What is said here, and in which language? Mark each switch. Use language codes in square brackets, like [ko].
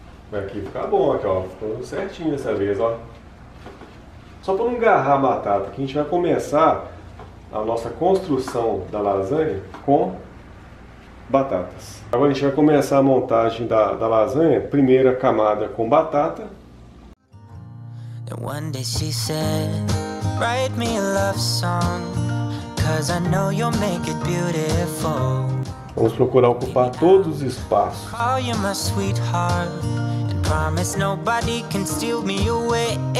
[pt] Vai aqui ficar bom, aqui, ó. Ficou certinho dessa vez, ó. Só para não agarrar a batata, que a gente vai começar a nossa construção da lasanha com batatas. Agora a gente vai começar a montagem da lasanha, primeira camada com batata. [en] One day she said, write me a love song, cause I know you'll make it beautiful. [pt] Vamos procurar ocupar todos os espaços. [en] Call you my sweetheart, and promise nobody can steal me away.